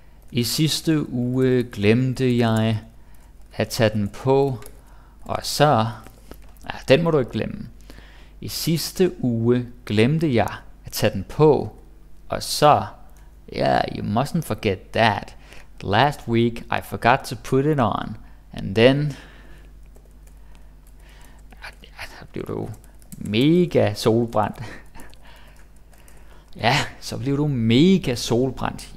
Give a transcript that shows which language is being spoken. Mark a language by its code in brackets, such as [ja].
[da] I sidste uge glemte jeg at tage den på, og så... den må du ikke glemme. I sidste uge glemte jeg at tage den på, og så... [en] Yeah, you mustn't forget that. Last week I forgot to put it on, and then... [da] bliver du mega solbrændt. Ja, så bliver du mega solbrændt.